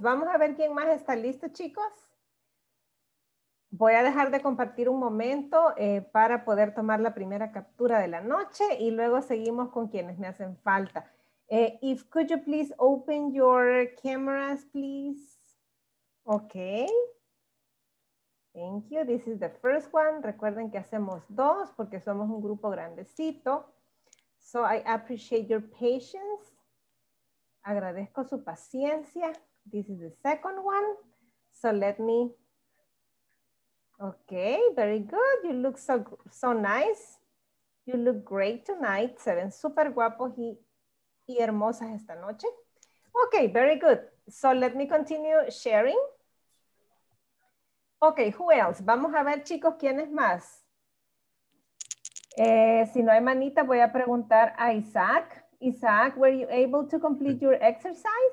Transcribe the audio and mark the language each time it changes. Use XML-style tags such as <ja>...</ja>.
<es>Vamos a ver quién más está listo, chicos. Voy a dejar de compartir un momento para poder tomar la primera captura de la noche y luego seguimos con quienes me hacen falta.</es> <en>If could you please open your cameras, please? Okay. Thank you. This is the first one.</en> <es>Recuerden que hacemos dos porque somos un grupo grandecito.</es> <en>So I appreciate your patience.</en> <es>Agradezco su paciencia.</es> <en>This is the second one. So let me... Okay, very good. You look so nice. You look great tonight.</en> <es>Se ven super guapos y hermosas esta noche.</es> <en>Okay, very good. So let me continue sharing. Okay, who else?</en> <es>Vamos a ver, chicos, ¿quiénes más? Si no hay manita, voy a preguntar a Isaac.</es> <en>Isaac, were you able to complete your exercise?</en>